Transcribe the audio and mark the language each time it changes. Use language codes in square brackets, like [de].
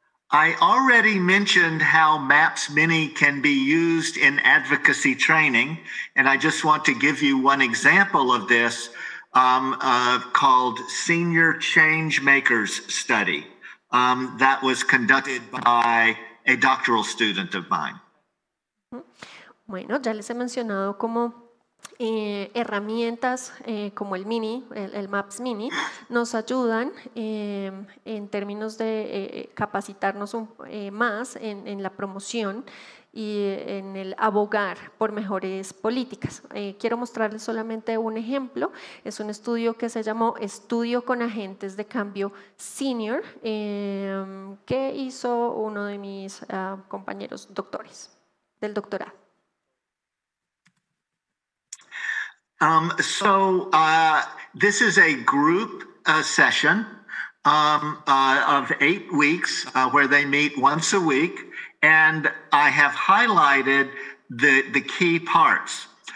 [en] I already mentioned how Maps Mini can be used in advocacy training, and I just want to give you one example of this called Senior Changemakers Study that was conducted by a doctoral student of mine. [es] Bueno, ya les he mencionado cómo herramientas como el Mini, el Maps Mini, nos ayudan en términos de capacitarnos más en la promoción y en el abogar por mejores políticas. Quiero mostrarles solamente un ejemplo. Es un estudio que se llamó Estudio con Agentes de Cambio Senior, que hizo uno de mis compañeros doctores del doctorado. [en] So this is a group session of 8 weeks where they meet once a week, and I have highlighted the key parts.